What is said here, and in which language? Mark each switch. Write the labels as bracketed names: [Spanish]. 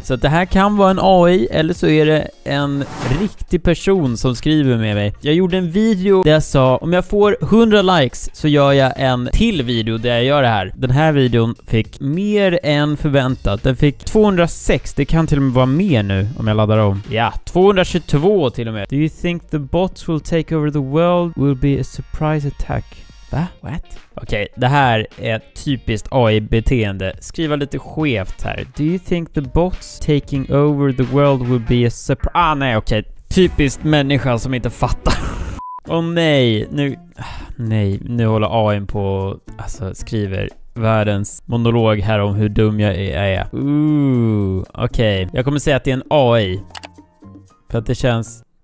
[Swedish] Så att det här kan vara en AI eller så är det en riktig person som skriver med mig. Jag gjorde en video där jag sa om jag får 100 likes så gör jag en till video där jag gör det här. Den här videon fick mer än förväntat. Den fick 206, det kan till och med vara mer nu om jag laddar om. Ja, 222 till och med. [English] Do you think the bots will take over the world will be a surprise attack? [Swedish] Va? [English] What? [Swedish] Okej, det här är typiskt AI-beteende. Skriva lite skevt här. [English] Do you think the bots taking over the world will be a surprise? [Swedish] Ah nej, okej. Typiskt människa som inte fattar. Oh nej, nu håller AI på och, alltså skriver världens monolog här om hur dum jag är. Okej. Jag kommer säga att det är en AI. För att det känns...